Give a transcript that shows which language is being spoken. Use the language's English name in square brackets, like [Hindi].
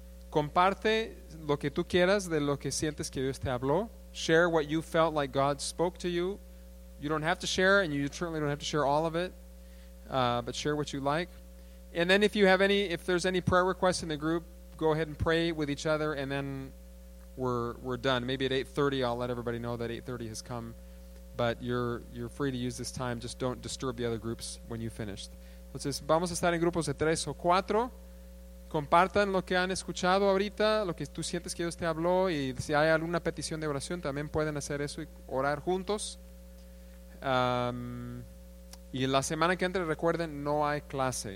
[Spanish] Comparte lo que tú quieras de lo que sientes que Dios te habló. [English] Share what you felt like God spoke to you. You don't have to share, and you certainly don't have to share all of it, but share what you like. And then if there's any prayer requests in the group, go ahead and pray with each other, and then we're done. Maybe at 8:30, I'll let everybody know that 8:30 has come, but you're free to use this time. Just don't disturb the other groups when you finished. [Spanish] Entonces, vamos a estar en grupos de tres o cuatro. Compartan lo que han escuchado ahorita, lo que tú sientes que Dios te habló, y si hay alguna petición de oración, también pueden hacer eso y orar juntos. Y la semana que entra, recuerden, no hay clase.